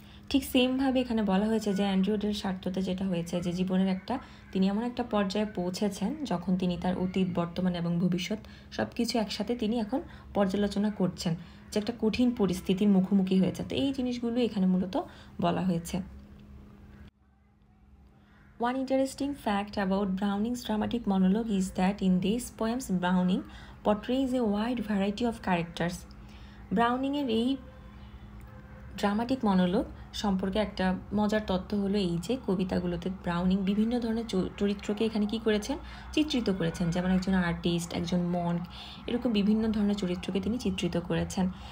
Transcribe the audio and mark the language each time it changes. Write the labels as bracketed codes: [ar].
[bn] ঠিক সেমভাবে এখানে বলা হয়েছে যে অ্যান্ড্রিউ ডেল সার্তোতে যেটা হয়েছে যে জীবনের একটা তিনি এমন একটা পর্যায়ে পৌঁছেছেন যখন তিনি তার অতীত বর্তমান এবং ভবিষ্যৎ সব কিছু একসাথে তিনি এখন পর্যালোচনা করছেন যে একটা কঠিন পরিস্থিতির মুখোমুখি হয়েছে. তো এই জিনিসগুলো এখানে মূলত বলা হয়েছে. [en] One interesting fact about Browning's dramatic monologue is that in these poems, Browning portrays a wide variety of characters. [bn] Browning-এর এই dramatic monologue সম্পর্কে একটা মজার তথ্য হলো এই যে কবিতাগুলোতে ব্রাউনিং বিভিন্ন ধরনের চরিত্রকে এখানে কী করেছেন, চিত্রিত করেছেন। যেমন একজন আর্টিস্ট, একজন মনক, এরকম বিভিন্ন ধরনের চরিত্রকে তিনি চিত্রিত করেছেন।